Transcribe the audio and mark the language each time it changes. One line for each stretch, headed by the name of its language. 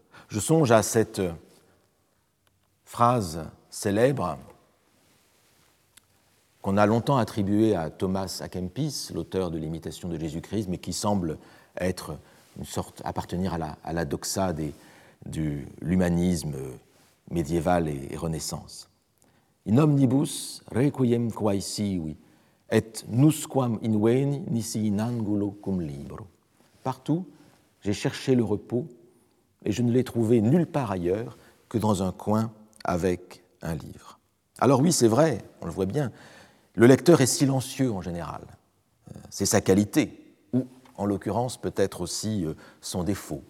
French: Je songe à cette phrase célèbre qu'on a longtemps attribuée à Thomas à Kempis, l'auteur de l'Imitation de Jésus-Christ, mais qui semble être une sorte, appartenir à la doxa de l'humanisme médiéval et renaissance.
Latin: In omnibus requiem quae sivi et nusquam inveni nisi in angulo cum libro.
French: Partout, j'ai cherché le repos et je ne l'ai trouvé nulle part ailleurs que dans un coin avec un livre. Alors oui, c'est vrai, on le voit bien, le lecteur est silencieux en général. C'est sa qualité, ou en l'occurrence peut-être aussi son défaut.